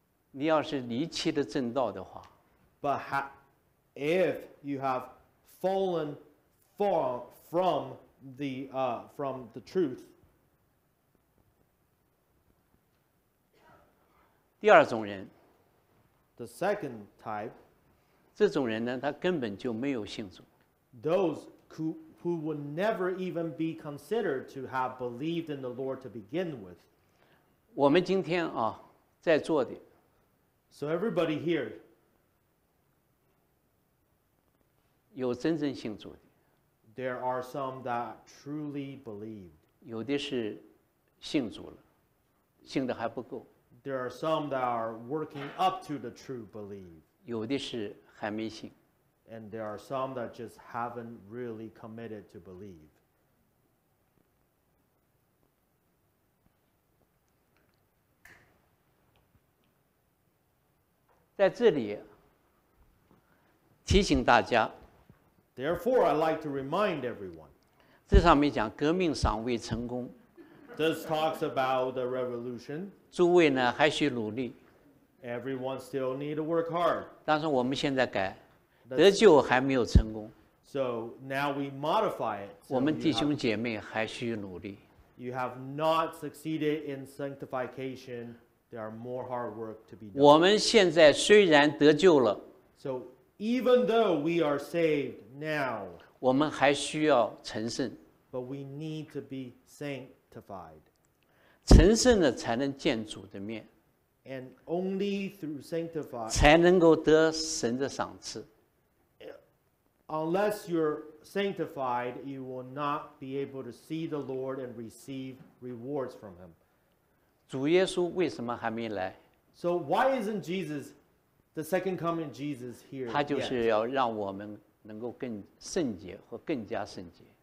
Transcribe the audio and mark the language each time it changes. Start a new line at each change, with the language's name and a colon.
Chinese: 你要是离弃了正道的话
English: ，But if you have fallen far from the truth.
Chinese: 第二种人
English: ，The second type.
Chinese: 这种人呢，他根本就没有信主。
English: Those who would never even be considered to have believed in the Lord to begin with.
Chinese: 我们今天啊，在座的。
English: So everybody here.
Chinese: 有真正信主的。
English: There are some that truly believed.
Chinese: 有的是信主了，信的还不够。
English: There are some that are working up to the true belief.
Chinese: 有的是还没信。
English: And there are some that just haven't really committed to believe.
Chinese: 在这里，提醒大家。
English: Therefore, I'd like to remind everyone.
Chinese: 这上面讲革命尚未成功。
English: This talks about the revolution.
Chinese: 诸位呢还需努力。
English: Everyone still need to work hard.
Chinese: 但是我们现在改，得救还没有成功。
English: So now we modify it.
Chinese: 我们弟兄姐妹还需努力。
English: You have not succeeded in sanctification. There are more hard work to be done.
Chinese: 我们现在虽然得救了。
English: So even though we are saved now.
Chinese: 我们还需要成圣。
English: But we need to be sanctified.
Chinese: 成圣了才能见主的面。
English: And only through sanctified.
Chinese: 才能够得神的赏赐。
English: Unless you're sanctified, you will not be able to see the Lord and receive rewards from Him.
Chinese: 主耶稣为什么还没来？
English: So why isn't Jesus, the second coming Jesus here?
Chinese: 他就是要让我们能够更圣洁或更加圣洁。